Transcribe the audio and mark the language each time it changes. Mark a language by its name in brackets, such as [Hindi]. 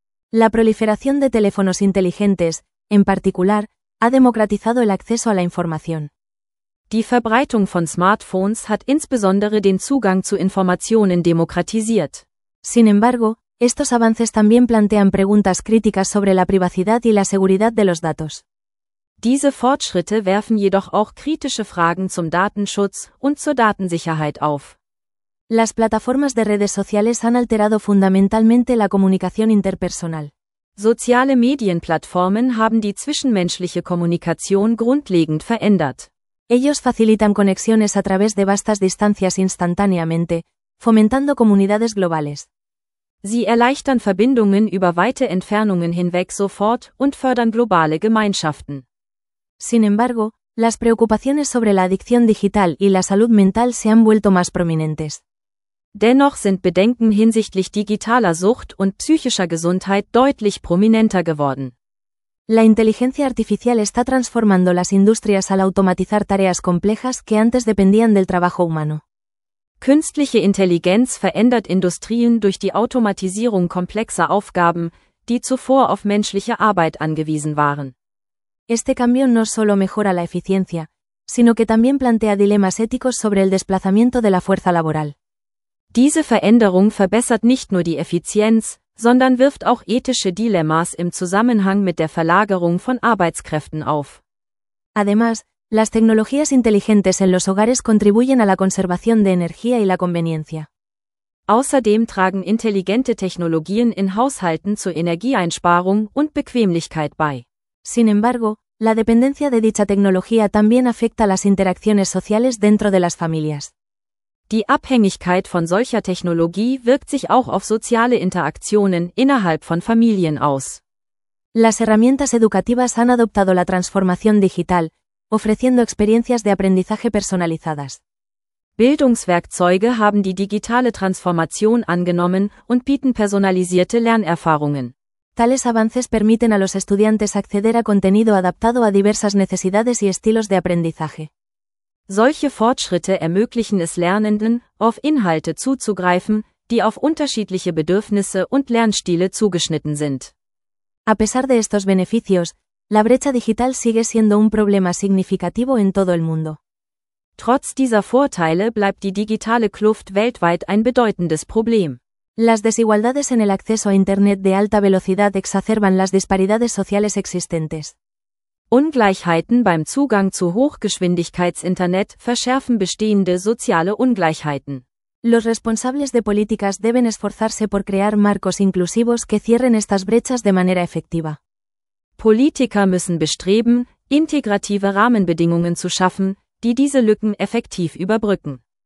[Spanish] La proliferación de teléfonos inteligentes, en particular, ha democratizado el acceso a la información. [German] Die Verbreitung von Smartphones hat insbesondere den Zugang zu Informationen demokratisiert. [Spanish] Sin embargo, estos avances también plantean preguntas críticas sobre la privacidad y la seguridad de los datos. [German] Diese Fortschritte werfen jedoch auch kritische Fragen zum Datenschutz und zur Datensicherheit auf. [Spanish] Las plataformas de redes sociales han alterado fundamentalmente la comunicación interpersonal. [German] Soziale Medienplattformen haben die zwischenmenschliche Kommunikation grundlegend verändert. [Spanish] Ellos facilitan conexiones a través de vastas distancias instantáneamente, fomentando comunidades globales. [German] Sie erleichtern Verbindungen über weite Entfernungen hinweg sofort und fördern globale Gemeinschaften. [Spanish] Sin embargo, las preocupaciones sobre la adicción digital y la salud mental se han vuelto más prominentes. [German] Dennoch sind Bedenken hinsichtlich digitaler Sucht und psychischer Gesundheit deutlich prominenter geworden. [Spanish] La inteligencia artificial está transformando las industrias al automatizar tareas complejas que antes dependían del trabajo humano. [German] Künstliche Intelligenz verändert Industrien durch die Automatisierung komplexer Aufgaben, die zuvor auf menschliche Arbeit angewiesen waren. [Spanish] Este cambio no solo mejora la eficiencia, sino que también plantea dilemas éticos sobre el desplazamiento de la fuerza laboral. [German] Diese Veränderung verbessert nicht nur die Effizienz, sondern wirft auch ethische Dilemmas im Zusammenhang mit der Verlagerung von Arbeitskräften auf. [Spanish] Además, las tecnologías inteligentes en los hogares contribuyen a la conservación de energía y la conveniencia. [German] Außerdem tragen intelligente Technologien in Haushalten zur Energieeinsparung und Bequemlichkeit bei. [Spanish] Sin embargo, la dependencia de dicha tecnología también afecta las interacciones sociales dentro de las familias. [German] Die Abhängigkeit von solcher Technologie wirkt sich auch auf soziale Interaktionen innerhalb von Familien aus. [Spanish] Las herramientas educativas han adoptado la transformación digital, ofreciendo experiencias de aprendizaje personalizadas. [German] Bildungswerkzeuge haben die digitale Transformation angenommen und bieten personalisierte Lernerfahrungen. [Spanish] Tales avances permiten a los estudiantes acceder a contenido adaptado a diversas necesidades y estilos de aprendizaje. [German] Solche Fortschritte ermöglichen es Lernenden, auf Inhalte zuzugreifen, die auf unterschiedliche Bedürfnisse und Lernstile zugeschnitten sind. [Spanish] A pesar de estos beneficios, la brecha digital sigue siendo un problema significativo en todo el mundo. [German] Trotz dieser Vorteile bleibt die digitale Kluft weltweit ein bedeutendes Problem. [Spanish] Las desigualdades en el acceso a Internet de alta velocidad exacerban las disparidades sociales existentes. [German] Ungleichheiten beim Zugang zu Hochgeschwindigkeitsinternet verschärfen bestehende soziale Ungleichheiten. [Spanish] Los responsables de políticas deben esforzarse por crear marcos inclusivos que cierren estas brechas de manera efectiva. [German] Politiker müssen bestreben, integrative Rahmenbedingungen zu schaffen, die diese Lücken effektiv überbrücken.